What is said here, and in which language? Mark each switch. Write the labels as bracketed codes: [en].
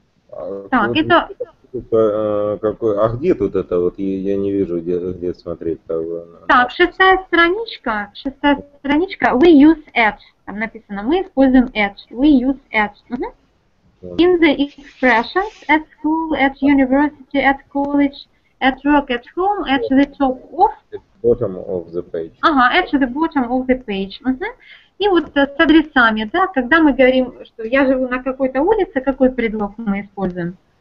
[ru] А где тут это? Вот я не вижу, где смотреть. Так, шестая страничка. [en] We use at. [ru] Там написано, мы используем at. [en] We use at. In the expressions, at school, at university, at college, at work, at home, at the top of... Bottom of the page. Ага, at the bottom of the page. [ru] И вот с адресами, да, когда мы говорим, что я живу на какой-то улице, какой предлог мы используем?